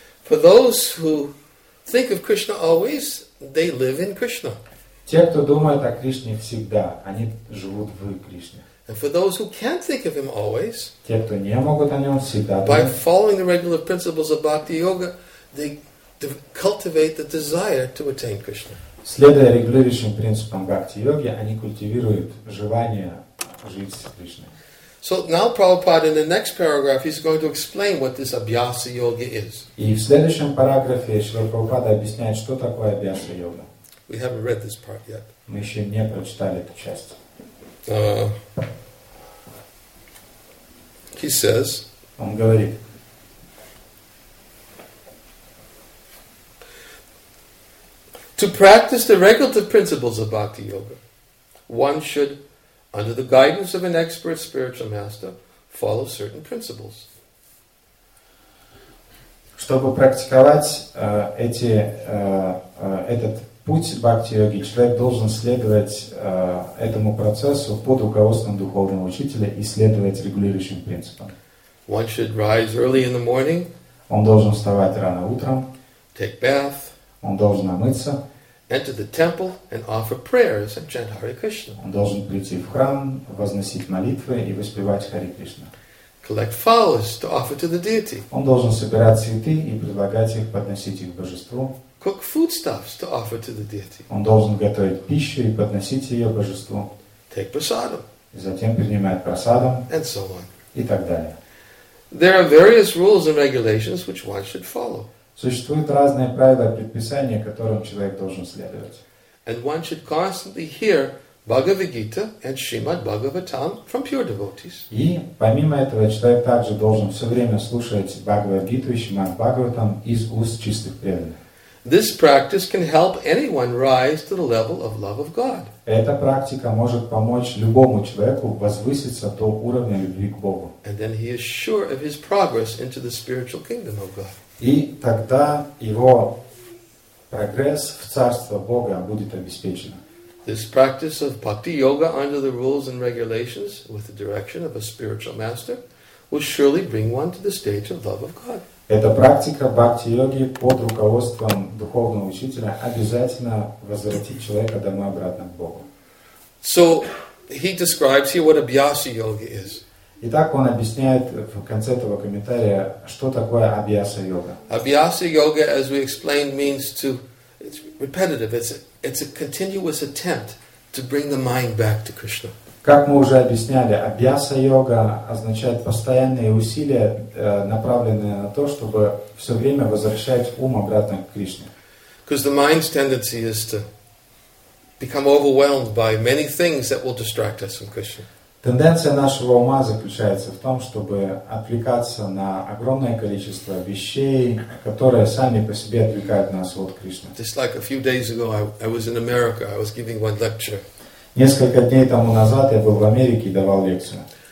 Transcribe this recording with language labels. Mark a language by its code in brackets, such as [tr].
[en] For those who think of Krishna always, they live in Krishna. [ru] Те, кто думает о Кришне всегда, они живут в Кришне. [en] And for those who can't think of him always, [ru] те, кто не могут о нем всегда думать, [en] by following the regular principles of bhakti yoga, they cultivate the desire to attain Krishna. [ru] Следуя регулирующим принципам бхакти йоги, они культивируют желание жить с Кришной. [en] So now Prabhupada, in the next paragraph, he's going to explain what this abhyasa yoga is. [ru] И в следующем параграфе Шрила Прабхупада объясняет, что такое абьяса йога. [en] We haven't read this part yet. [ru] Мы еще не прочитали эту часть. [en] He says, [ru] он говорит, [en] to practice the regulative principles of bhakti yoga, one should, under the guidance of an expert spiritual master, follow certain principles. [ru] Чтобы практиковать этот путь бхакти-йоги, человек должен следовать этому процессу под руководством духовного учителя и следовать регулирующим принципам. [en] One should rise early in the morning. [ru] Он должен вставать рано утром. [en] Take bath. [ru] Он должен омыться. [en] Enter the temple and offer prayers and chant Hare Krishna. [ru] Он должен прийти в храм, возносить молитвы и воспевать Хари Кришна. [en] Collect flowers to offer to the deity. [ru] Он должен собирать цветы и предлагать их, подносить их божеству. [en] Cook foodstuffs to offer to the deity. [ru] Он должен готовить пищу и подносить ее божеству. [en] Take prasadam. [ru] И затем принимать прасадам. [en] And so on. [ru] И так далее. [en] There are various rules and regulations which one should follow. [ru] Существуют разные правила и предписания, которым человек должен следовать. [en] And one should constantly hear Bhagavad Gita and Srimad Bhagavatam from pure devotees. [ru] И помимо этого, человек также должен все время слушать Бхагавад Гиту и Шримад Бхагаватам из уст чистых преданных. [en] This practice can help anyone rise to the level of love of God. [ru] Эта практика может помочь любому человеку возвыситься до уровня любви к Богу. [en] And then he is sure of his progress into the spiritual kingdom of God. [ru] И тогда его прогресс в царство Бога будет обеспечен. [en] This practice of bhakti yoga under the rules and regulations with the direction of a spiritual master will surely bring one to the stage of love of God. [ru] Эта практика бхакти-йоги под руководством духовного учителя обязательно возвратит человека домой обратно к Богу. [en] So he describes here what abhyasa yoga is. [ru] Итак, он объясняет в конце этого комментария, что такое абьяса йога. [en] Абьяса йога, as we explained, means to it's repetitive. It's a continuous attempt to bring the mind back to Krishna. [ru] Как мы уже объясняли, абьяса йога означает постоянные усилия, направленные на то, чтобы все время возвращать ум обратно к Кришне. [en] Because the mind's tendency is to become overwhelmed by many things that will distract us from Krishna. [ru] Тенденция нашего ума заключается в том, чтобы отвлекаться на огромное количество вещей, которые сами по себе отвлекают нас от Кришны. [en] Just like a few days ago, I was in America. I was giving one lecture. [ru] Несколько дней тому назад я был в Америке и давал лекцию.